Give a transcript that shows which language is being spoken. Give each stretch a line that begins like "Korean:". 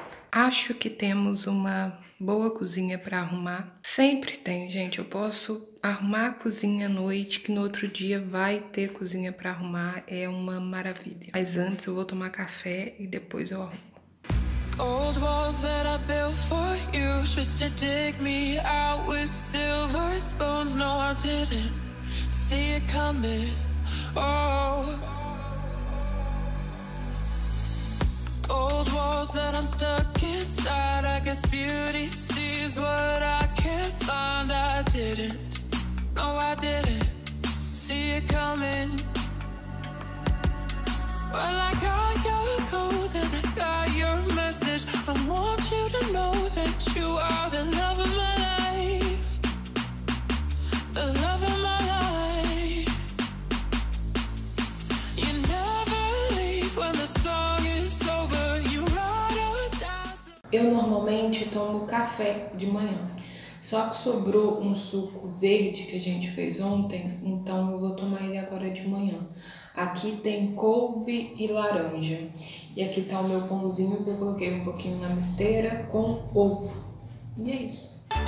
Portuguese: Acho que temos uma boa cozinha pra arrumar. Sempre tem, gente. Eu posso arrumar a cozinha à noite, que no outro dia vai ter cozinha pra arrumar. É uma maravilha. Mas antes eu vou tomar café e depois eu arrumo.
English: Old walls that I built for you, just to dig me out with silver spoons. No, I didn't see it coming. Oh. Old walls that I'm stuck inside. I guess beauty sees what I can't find. I didn't. No, I didn't see it coming. Well, I got your code and I got your message. I want you to know that you are the love of my life. The love of my life. You never leave when the song is over. You ride or die.
Portuguese: Eu normalmente tomo café de manhã. Só que sobrou um suco verde que a gente fez ontem, então eu vou tomar ele agora de manhã. Aqui tem couve e laranja. E aqui tá o meu pãozinho que eu coloquei um pouquinho na misteira com ovo. E é isso.